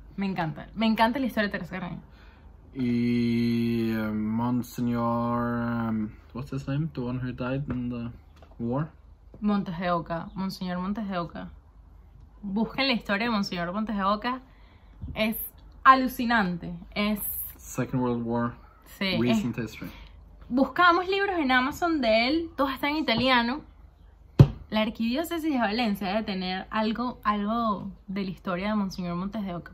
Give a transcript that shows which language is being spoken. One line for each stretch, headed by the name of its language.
Spanish: Me encanta la historia de Teresa Carreño. Y Monseñor.
English: What's his name? The one who died in the war?
Spanish: Montes de Oca. Monseñor Montes de Oca. Busquen la historia de Monseñor Montes de Oca. Es alucinante. Es...
English: Second World War.
Spanish: Sí.
English: Recent history.
Spanish: Buscamos libros en Amazon de él. Todos están en italiano. La Arquidiócesis de Valencia debe tener algo de la historia de Monseñor Montes de Oca.